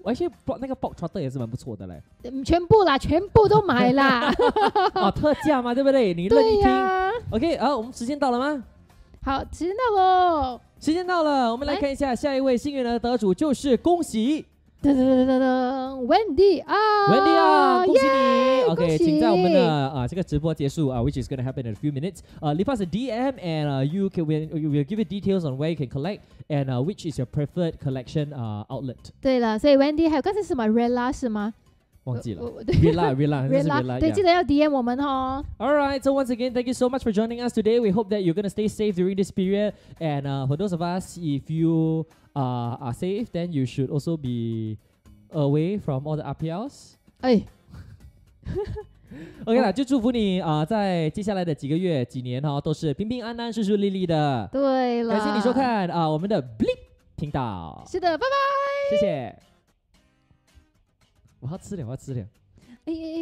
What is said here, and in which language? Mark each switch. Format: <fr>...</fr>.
<zh>而且那个爆川豆也是蛮不错的嘞。全部啦，全部都买啦。哦，特价嘛，对不对？你乐意听、啊、？OK， 好、我们时间到了吗？好，时间到喽。时间到了，我们来看一下下一位幸运的得主，就是恭喜 Wendy 啊，Wendy 啊，恭喜你 yeah,</zh> <en>，OK，请在我们的这个直播结束啊，which is going to happen in a few minutes， leave us a DM and we'll give you details on where you can collect and which is your preferred collection outlet。</en> <zh>对了，所以 Wendy 还有刚才是什么 Rella 是吗？忘记了 Rela 对，记得要 DM 我们哦。</zh> <en>Alright, so once again, thank you so much for joining us today. We hope that you're going to stay safe during this period. And for those of us, if you are safe, then you should also be away from all the RPLs. 哎</en> <zh>OK 啦，就祝福你啊、在接下来的几个月、几年哈、哦，都是平平安安、顺顺利利的。对了，感谢你收看啊、我们的 Blip 频道。是的，拜拜。谢谢。我要吃点，我要吃点。哎哎哎。</zh>